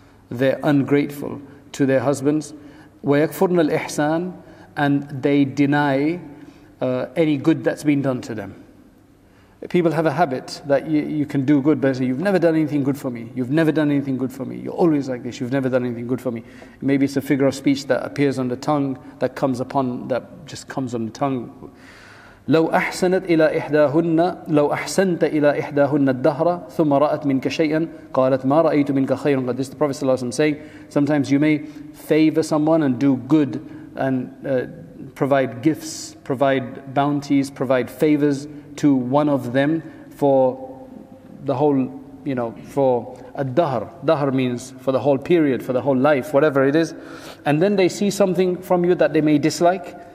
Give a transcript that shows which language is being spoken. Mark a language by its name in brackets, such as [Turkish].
[English] They're ungrateful to their husbands. [Arabic] وَيَكْفُرْنَ الْإِحْسَانِ, [English] and they deny any good that's been done to them. People have a habit that you can do good, but say, you've never done anything good for me. You've never done anything good for me. You're always like this. You've never done anything good for me. Maybe it's a figure of speech that appears on the tongue, that comes upon, that just comes on the tongue. [Arabic] لو أحسنت إلى إحداهن لو أحسنت إلى إحداهن الدهر ثم رأت منك شيئا قالت ما رأيت منك خيرا. [English] This is the Prophet sallallahu alaihi wasallam saying, sometimes you may favor someone and do good and provide gifts, provide bounties, provide favors to one of them for the whole, you know, for a dahr. Dahr means for the whole period, for the whole life, whatever it is. And then they see something from you that they may dislike.